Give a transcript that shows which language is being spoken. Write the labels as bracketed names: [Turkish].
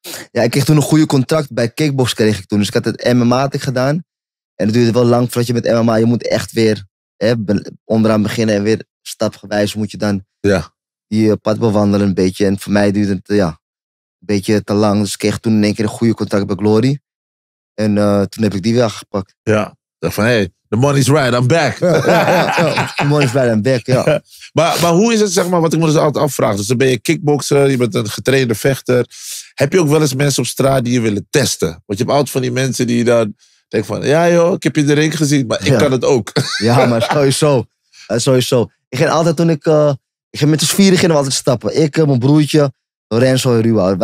[Dutch] Ja, ik kreeg toen een goede contract bij kickboksen kreeg ik toen. Dus ik had het MMA-tik gedaan. En het duurde wel lang voordat je met MMA, je moet echt weer onderaan beginnen en weer stapgewijs moet je dan die pad bewandelen een beetje. En voor mij duurde het een beetje te lang. Dus ik kreeg toen in één keer een goede contract bij Glory. En toen heb ik die weer gepakt. Ja. Dacht van, [English] hey, the money's right, I'm back. The money's right, I'm back, [Dutch] ja. Maar hoe is het, zeg maar, wat ik me dus altijd afvraag. Dus dan ben je kickbokser, je bent een getrainde vechter. Heb je ook wel eens mensen op straat die je willen testen? Want je hebt altijd van die mensen die dan denken van, ja joh, ik heb je de ring gezien, maar ik kan het ook. Ja, maar sowieso. Sowieso. Ik ging altijd toen ik ging met z'n vieren gingen we altijd stappen. Ik, mijn broertje, Lorenzo en Ruwa.